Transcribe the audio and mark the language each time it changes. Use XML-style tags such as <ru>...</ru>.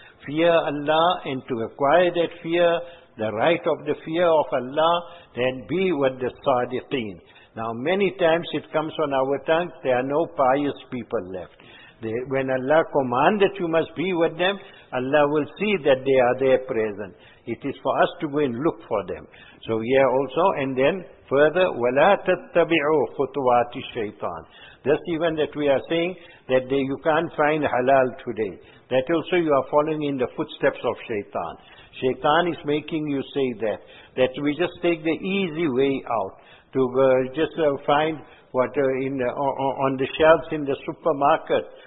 <en>Fear Allah, and to acquire that fear, the right of the fear of Allah, then be with the sadiqeen. Now many times it comes on our tongue, there are no pious people left. When Allah commands that you must be with them, Allah will see that they are there present. It is for us to go and look for them. So here also, and then further,</en> <ar>ولا تتبعوا خطوات الشيطان.</ar> <en>That's even that we are saying that they, you can't find halal today. That also you are following in the footsteps of shaitan. Shaitan is making you say that. That we just take the easy way out. To find what on the shelves in the supermarket.</en>